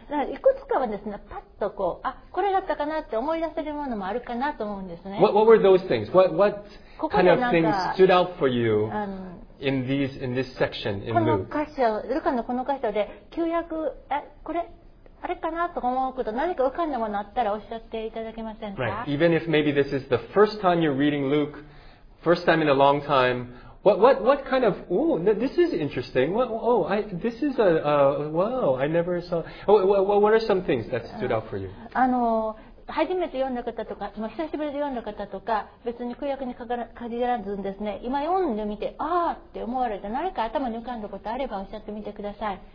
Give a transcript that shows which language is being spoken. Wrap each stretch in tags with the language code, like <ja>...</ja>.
<ja>いくつかはですね、パッとこう、あ、これだったかなって思い出せるものもあるかなと思うんですね。</ja> <en>What were those things? What kind of things stood out for you? In this section in Luke.</en> <ja>この箇所、ルカのこの箇所で旧約、これ。あれかなと思うこと、何か浮かんだものあったらおっしゃっていただけませんか。</ja> <en>Right. Even if maybe this is the first time you're reading Luke, first time in a long time, what kind of, oh, this is interesting. Wow, I never saw. What are some things that stood out for you?</en> <ja>初めて読んだ方とか、久しぶりで読んだ方とか、別に旧約に限らずんですね、今読んでみて、あーって思われた、何か頭に浮かんだことあればおっしゃってみてください。</ja>